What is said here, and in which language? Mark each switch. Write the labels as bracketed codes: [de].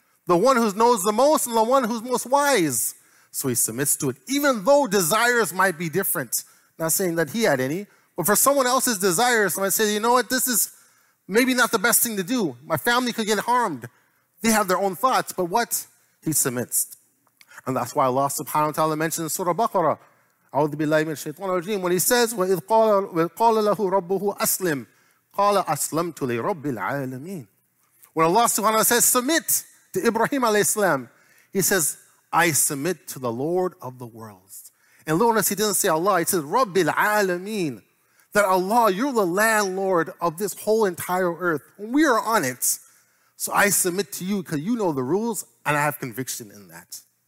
[en] The one who knows the most and the one who's most wise. So he submits to it, even though desires might be different. Not saying that he had any. But for someone else's desires, I might say, you know what? This is maybe not the best thing to do. My family could get harmed. They have their own thoughts. But what? He submits. And that's why Allah subhanahu wa ta'ala mentions Surah Baqarah. [ar] أعوذ بالله من الشيطان الرجيم. [en] When he says, [ar] وَإِذْ قال لَهُ رَبُّهُ أَسْلِمْ قَالَ أَسْلَمْتُ لِرَبِّ الْعَالَمِينَ. [en] When Allah subhanahu wa ta'ala says, submit to Ibrahim alayhi salam, he says, I submit to the Lord of the worlds. And notice he didn't say Allah, he says, [ar] رَبِّ الْعَالَمِينَ. [en] That Allah, you're the landlord of this whole entire earth. We are on it. So I submit to you because you know the rules and I have conviction in that.